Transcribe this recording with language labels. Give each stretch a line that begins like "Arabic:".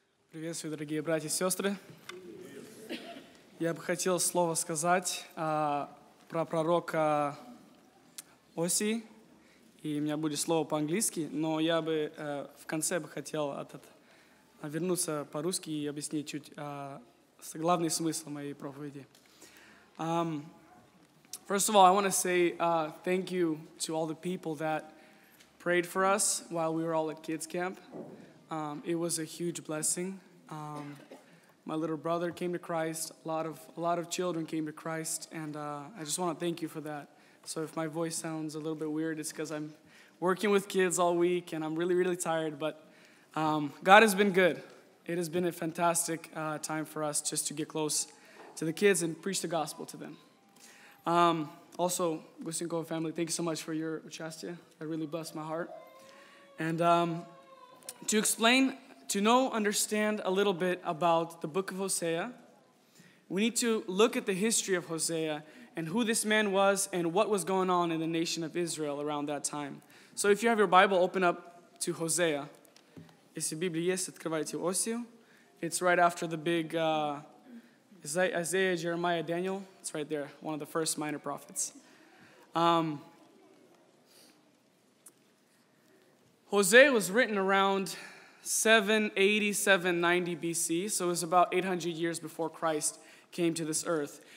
Russian: Приветствую, дорогие братья и сестры. Я бы хотел слово сказать про пророка Оси. И у меня будет слово по-английски, но я бы в конце бы хотел вернуться по-русски и объяснить чуть главный смысл моей проповеди.
English: First of all, I want to say thank you to all the people that prayed for us while we were all at kids camp. It was a huge blessing. My little brother came to Christ. A lot of children came to Christ, and I just want to thank you for that. So if my voice sounds a little bit weird, it's because I'm working with kids all week, and I'm really, really tired. But God has been good. It has been a fantastic time for us just to get close to the kids and preach the gospel to them. Also, Gusinko family, thank you so much for your uchastie. That really blessed my heart. And to understand a little bit about the book of Hosea, we need to look at the history of Hosea and who this man was and what was going on in the nation of Israel around that time. So if you have your Bible, open up to Hosea.
Russian: Если Библия есть, открывайте Осию.
English: It's right after the big Isaiah, Jeremiah, Daniel. It's right there, one of the first minor prophets. Hosea was written around 787, 90 BC, so it was about 800 years before Christ came to this earth.